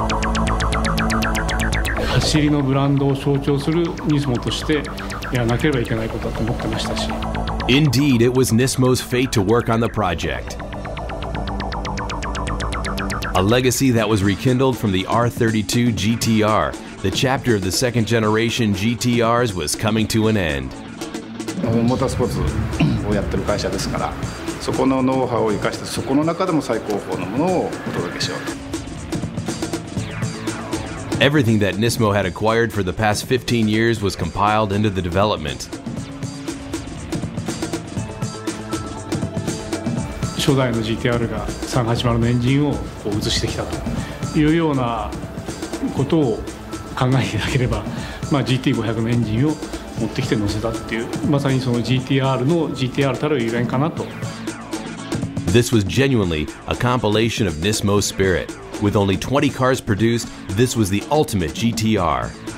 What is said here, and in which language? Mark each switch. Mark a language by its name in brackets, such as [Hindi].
[Japanese] 走りのブランドを象徴するNISMOとしてやらなければいけないことだと思ってましたし。 [English] Indeed, it was NISMO's fate to work on the project. A legacy that was rekindled from the R32 GTR. The chapter of the second generation GTRs was coming to an end. [Japanese] モータースポーツをやってる会社ですから、そこのノウハウを生かして、そこの中でも最高峰のものをお届けしようと。 [English] Everything that NISMO had acquired for the past 15 years was compiled into the development. [Japanese] 初代の GTR が380のエンジンをこう移してきたというようなことを考えていただければ、まあ、GT500 のエンジンを持ってきて乗せたっていう、まさにその GTR の GTR たるゆえんかなと。 [English] This was genuinely a compilation of NISMO spirit. With only 20 cars produced, this was the ultimate GTR.